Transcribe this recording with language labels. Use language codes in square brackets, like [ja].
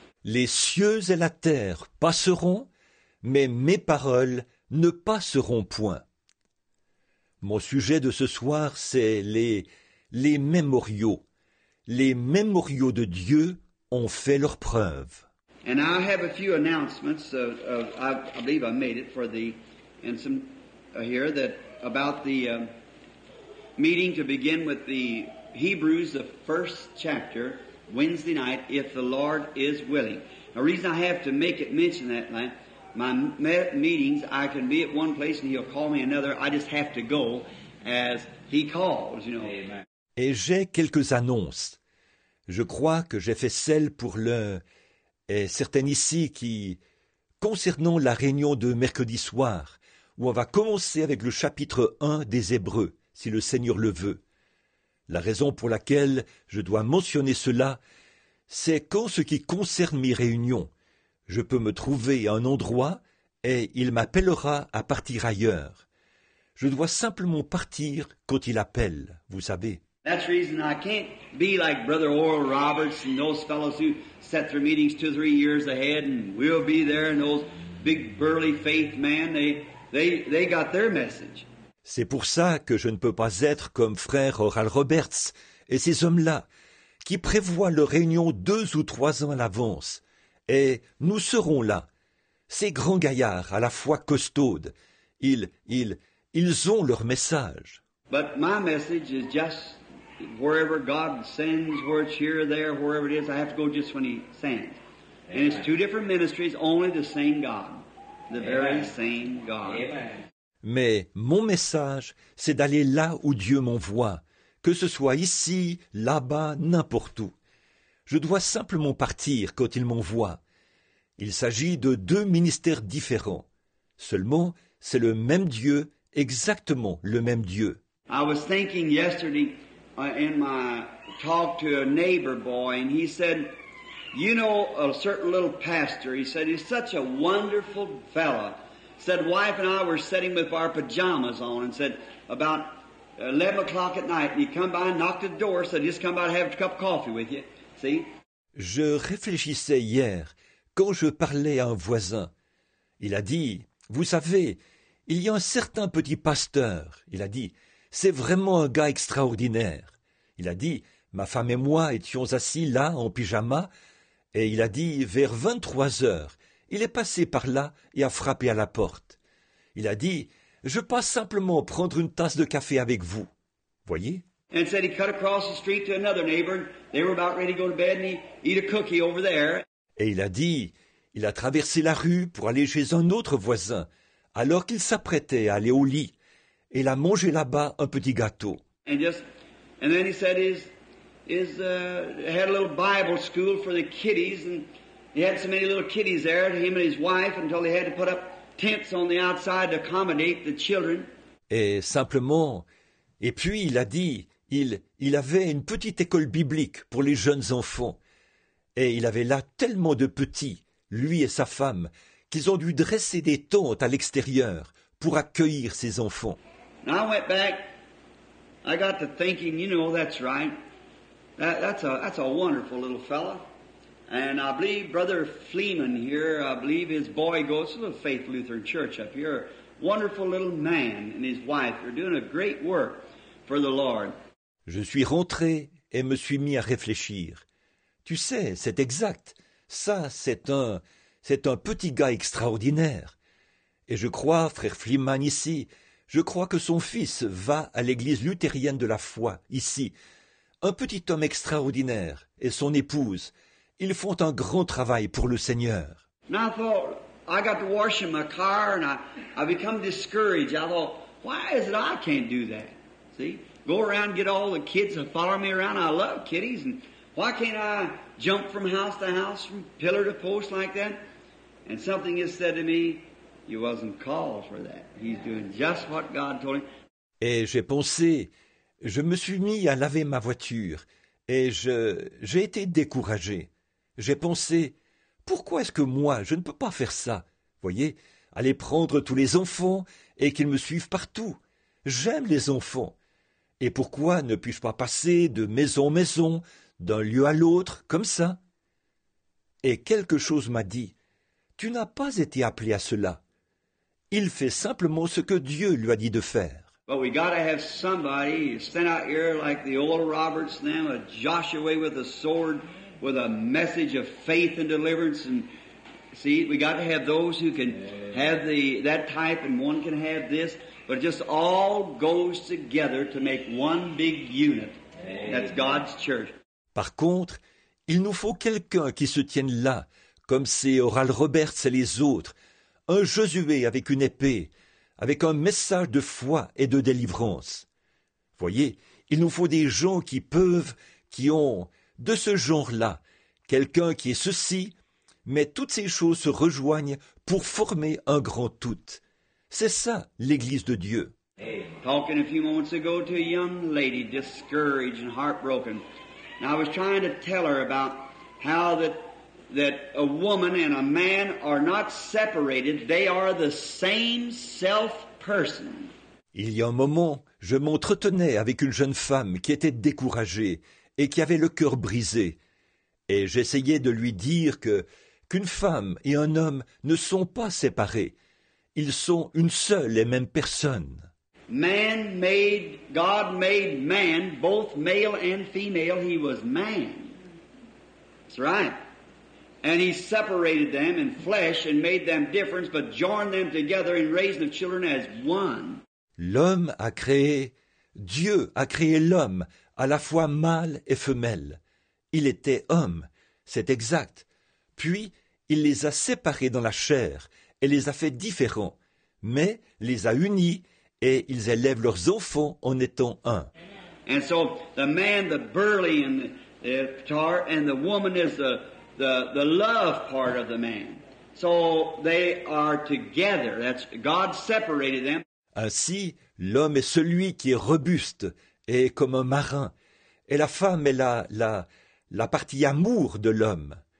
[fr] Les cieux et la terre passeront, mais mes paroles ne passeront point. Mon sujet de ce soir, c'est les mémoriaux. Les mémoriaux de Dieu ont fait leur preuve. [en] And I have a few announcements I believe I made it for the and some here that about the meeting to begin with the Hebrews, the first chapter, Wednesday night, if the Lord is willing. The reason I have to make it mention that, like, my meetings, I can be at one place and he'll call me another. I just have to go as he calls, you know. Amen. [fr] Et j'ai quelques annonces. Je crois que j'ai fait celle pour le... Et certaines ici qui... Concernant la réunion de mercredi soir, où on va commencer avec le chapitre 1 des Hébreux, si le Seigneur le veut. La raison pour laquelle je dois mentionner cela, c'est qu'en ce qui concerne mes réunions, je peux me trouver à un endroit et il m'appellera à partir ailleurs. Je dois simplement partir quand il appelle, vous savez. [en] That's the reason I can't be like Brother Oral Roberts and those fellows who set their meetings 2-3 years ahead and we'll be there and those big burly faith men, they got their message. [fr] C'est pour ça que je ne peux pas être comme frère Oral Roberts et ces hommes-là qui prévoient leur réunion 2 ou 3 ans à l'avance. Et nous serons là. Ces grands gaillards, à la fois costauds, ils ont leur message. [en] But my message is just wherever God sends, where it's here, there, wherever it is, I have to go just when he sends. Amen. And it's 2 different ministries, only the same God, the Amen. Very same God. Amen. [fr] Mais mon message, c'est d'aller là où Dieu m'envoie, que ce soit ici, là-bas, n'importe où. Je dois simplement partir quand il m'envoie. Il s'agit de 2 ministères différents. Seulement, c'est le même Dieu, exactement le même Dieu. [en] I was thinking yesterday, in my talk to a neighbor boy, and he said, you know, a certain little pastor, he said, he's such a wonderful fella. Said, wife and I were sitting with our pajamas on, and said, about 11 o'clock at night, and he come by and knocked the door, said, just come by and have a cup of coffee with you. See? [fr] Je réfléchissais hier, quand je parlais à un voisin. Il a dit, vous savez, il y a un certain petit pasteur, il a dit, c'est vraiment un gars extraordinaire. Il a dit, ma femme et moi étions assis là en pyjama, et il a dit, vers 23 heures, il est passé par là et a frappé à la porte. Il a dit, je passe simplement prendre une tasse de café avec vous. Voyez? [en] And said he cut across the street to another neighbor, they were about ready to go to bed, and he eat a cookie over there. [fr] Et il a dit, il a traversé la rue pour aller chez un autre voisin, alors qu'il s'apprêtait à aller au lit. Et il a mangé là-bas un petit gâteau. [en] And then he said his had a little Bible school for the kiddies, and he had so many little kiddies there, him and his wife, until they had to put up tents on the outside to accommodate the children. [fr] Et simplement, et puis il a dit, il avait une petite école biblique pour les jeunes enfants. Et il avait là tellement de petits, lui et sa femme, qu'ils ont dû dresser des tentes à l'extérieur pour accueillir ses enfants. [en] And I went back, I got to thinking, you know, that's right. That's a wonderful little fella. And I believe Brother Fleeman here, I believe his boy goes to the Faith Lutheran Church up here. Wonderful little man and his wife are doing a great work for the Lord. [fr] Je suis rentré et me suis mis à réfléchir. Tu sais, c'est exact. Ça, c'est un petit gars extraordinaire. Et je crois, frère Fleeman ici, je crois que son fils va à l'église luthérienne de la foi, ici. Un petit homme extraordinaire et son épouse, ils font un grand travail pour le Seigneur. [en] And I thought, I got to wash in my car and I become discouraged. I thought, why is it I can't do that? See? Go around, get all the kids and follow me around. I love kiddies. And why can't I jump from house to house, from pillar to post like that? And something has said to me, He wasn't called for that. He's doing just what God told him. [fr] Et j'ai pensé, je me suis mis à laver ma voiture et j'ai été découragé. J'ai pensé, pourquoi est-ce que moi, je ne peux pas faire ça, voyez, aller prendre tous les enfants et qu'ils me suivent partout. J'aime les enfants. Et pourquoi ne puis-je pas passer de maison en maison, d'un lieu à l'autre, comme ça? Et quelque chose m'a dit, tu n'as pas été appelé à cela. Il fait simplement ce que Dieu lui a dit de faire. [en] But we got to have somebody sent out here like the old Roberts now, a Joshua with a sword, with a message of faith and deliverance. And see, we got to have those who can have that type, and one can have this. But it just all goes together to make one big unit. That's God's church. [fr] Par contre, il nous faut quelqu'un qui se tienne là, comme c'est Oral Roberts et les autres, un Josué avec une épée, avec un message de foi et de délivrance. Voyez, il nous faut des gens qui peuvent, qui ont, de ce genre-là, quelqu'un qui est ceci, mais toutes ces choses se rejoignent pour former un grand tout. C'est ça, l'Église de Dieu. [en] Talking a few moments ago to a young lady, discouraged and heartbroken, and I was trying to tell her about how that a woman and a man are not separated, they are the same self-person. [fr] Il y a un moment, je m'entretenais avec une jeune femme qui était découragée et qui avait le cœur brisé. Et j'essayais de lui dire qu'une femme et un homme ne sont pas séparés. Ils sont une seule et même personne. [en] Man made, God made man, both male and female, he was man. That's right. And he separated them in flesh and made them different, but joined them together in raising the children as one. [fr] L'homme a créé, Dieu a créé l'homme, à la fois mâle et femelle. Il était homme, c'est exact. Puis, il les a séparés dans la chair et les a fait différents, mais les a unis et ils élèvent leurs enfants en étant un. [en] And so, the man, the burly and the tar, and the woman is the love part of the man. So they are together. That's God separated them. [fr] Ainsi, l'homme est celui qui est robuste et comme un marin, et la femme est la partie amour de l'homme.